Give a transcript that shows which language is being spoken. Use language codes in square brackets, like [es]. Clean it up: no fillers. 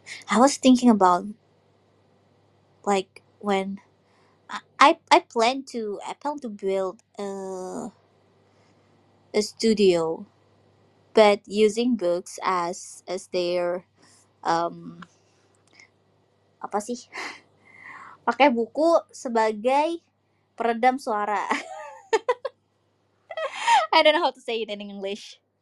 [en] I was thinking about, like, when I plan to, I plan to build a studio, but using books as their [id] apa sih? Pakai buku sebagai peredam suara. [en] I don't know how to say it in English.